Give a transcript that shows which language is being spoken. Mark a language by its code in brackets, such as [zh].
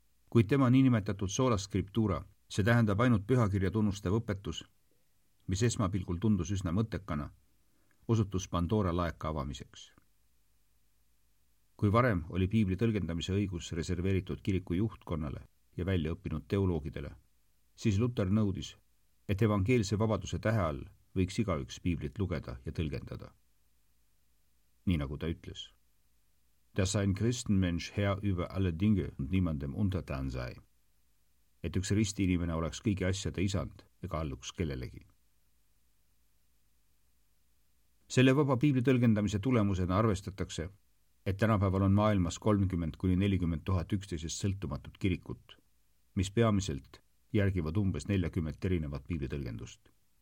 [et] Kuid tema niinimetatud soolaskriptuura, see tähendab ainult pühakirja tunnustev õpetus, mis esmapilgul tundus üsna mõttekana, osutus Pandora laeka avamiseks. Kui varem oli piibli tõlgendamise õigus reserveeritud kiriku juhtkonnale ja välja õppinud teoloogidele, siis Luther nõudis, et evangeelse vabaduse tähe all võiks igaüks piiblit lugeda ja tõlgendada. Nii nagu ta ütles. [de] Dass ein Christenmensch Herr über alle Dinge und niemandem untertan sei. [et] Et üks ristiinimene oleks kõigi asjade isand ega alluks kellelegi. Selle vaba piibli tõlgendamise tulemusena arvestatakse, et tänapäeval on maailmas 30-40 tuhat üksteisest sõltumatud kirikut, mis peamiselt järgivad umbes 40 erinevat piibli tõlgendust.